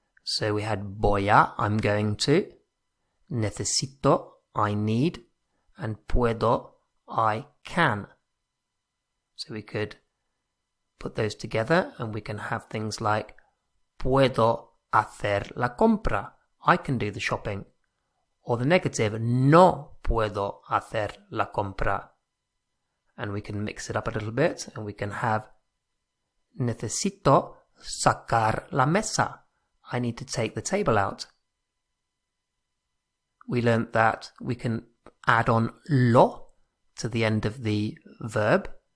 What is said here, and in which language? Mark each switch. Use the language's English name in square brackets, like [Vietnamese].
[English] So we had voy a, I'm going to. Necesito, I need. And puedo, I can. So we could put those together and we can have things like [Spanish] puedo hacer la compra, [English] I can do the shopping. Or the negative, [Spanish] no puedo hacer la compra. [English] And we can mix it up a little bit and we can have [Spanish] necesito sacar la mesa, [English] I need to take the table out. We learned that we can add on lo to the end of the verb.